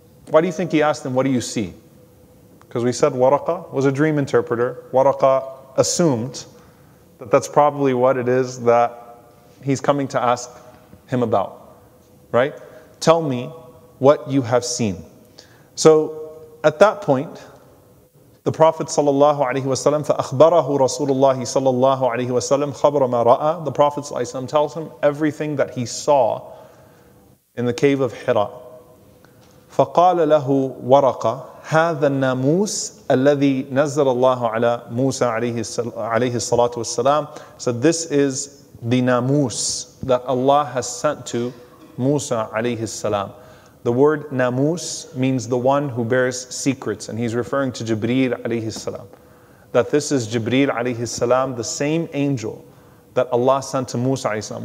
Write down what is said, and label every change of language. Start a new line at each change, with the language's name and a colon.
English: Why do you think he asked him, "What do you see?" Because we said Waraqa was a dream interpreter. Waraqa assumed that that's probably what it is that he's coming to ask him about, right? Tell me what you have seen. So at that point, the Prophet sallallahu alaihi wasallam,
Arabic: فأخبره رسول الله صلى الله عليه وسلم خبر ما رأى.
English: The Prophet sallallahu alaihi wasallam tells him everything that he saw in the cave of Hira.
Arabic: فقال له ورقة هذا الناموس الذي نزل الله على موسى عليه الصلاة والسلام.
English: So this is the namus that Allah has sent to Musa عليه السلام. The word namus means the one who bears secrets, and he's referring to Jibreel alayhi salam. That this is Jibreel alayhi salam, the same angel that Allah sent to Musa alayhi salam.